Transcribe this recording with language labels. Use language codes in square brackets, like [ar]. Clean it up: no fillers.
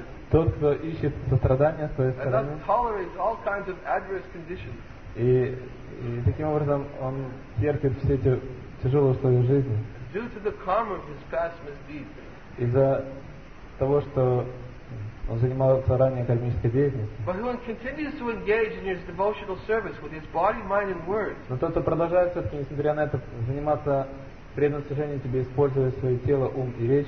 [ru] Тот, кто ищет сострадание с твоей стороны. [en] And thus tolerates all kinds of adverse conditions. [ru] И таким образом он терпит все эти тяжелые условия жизни. [en] Due to the karma of his past misdeeds. [ru] Из-за того, что он занимался ранее кармической деятельностью. [en] But who continues to engage in his devotional service with his body, mind, and words. [ru] Но тот, кто продолжает все-таки, несмотря на это, заниматься преданное служение тебе, используя свое тело, ум и речь.